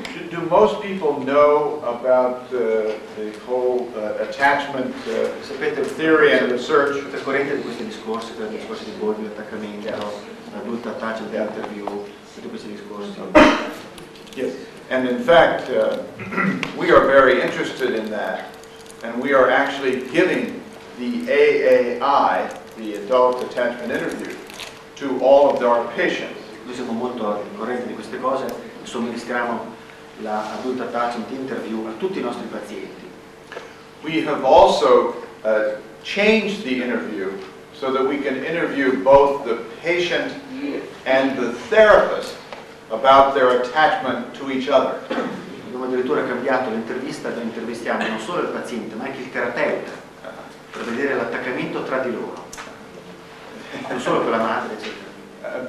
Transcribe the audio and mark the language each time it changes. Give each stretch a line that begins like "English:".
English: Do most people know about the whole attachment theory and research?
Italian: La corrente di questi discorsi, tra discorsi di borderline, attaccamento, adulto attachment interview, tutti questi discorsi.
English: Yes, and in fact, we are very interested in that, and we are actually giving the AAI, the adult attachment interview, to all of our patients.
Italian: Noi siamo molto corrente di queste cose. Somministriamo la adult attachment interview a tutti i nostri pazienti.
English: We have also changed the interview so that we can interview both the patient and the therapist about their attachment to each other.
Italian: Abbiamo addirittura cambiato l'intervista da intervistiamo non solo il paziente ma anche il terapeuta per vedere l'attaccamento tra di loro, non solo per la madre, eccetera.